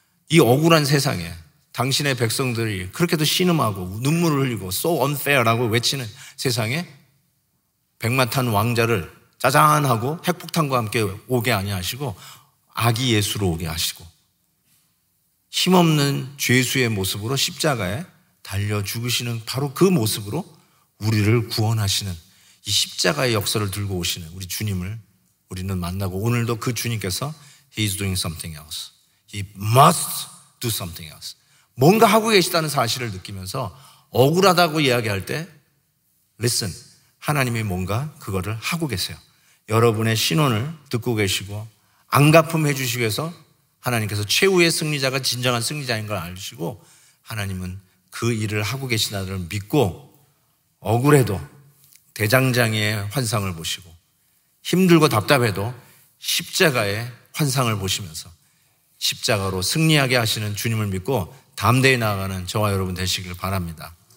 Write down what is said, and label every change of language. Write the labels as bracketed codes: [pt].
[ko] 이 억울한 세상에 당신의 백성들이 그렇게도 신음하고 눈물을 흘리고 [en] so unfair [ko] 라고 외치는 세상에 백마탄 왕자를 짜잔하고 핵폭탄과 함께 오게 아니하시고 아기 예수로 오게 하시고 힘없는 죄수의 모습으로 십자가에 달려 죽으시는 바로 그 모습으로 우리를 구원하시는 이 십자가의 역사를 들고 오시는 우리 주님을 우리는 만나고 오늘도 그 주님께서 [en] He is doing something else. He must do something else. [ko] 뭔가 하고 계시다는 사실을 느끼면서 억울하다고 이야기할 때 Listen, 하나님이 뭔가 그거를 하고 계세요. 여러분의 신원을 듣고 계시고 안 갚음해 주시기 위해서 하나님께서 최후의 승리자가 진정한 승리자인 걸 알으시고 하나님은 그 일을 하고 계시다는 걸 믿고 억울해도 대장장이의 환상을 보시고 힘들고 답답해도 십자가의 환상을 보시면서 십자가로 승리하게 하시는 주님을 믿고 담대히 나아가는 저와 여러분 되시길 바랍니다.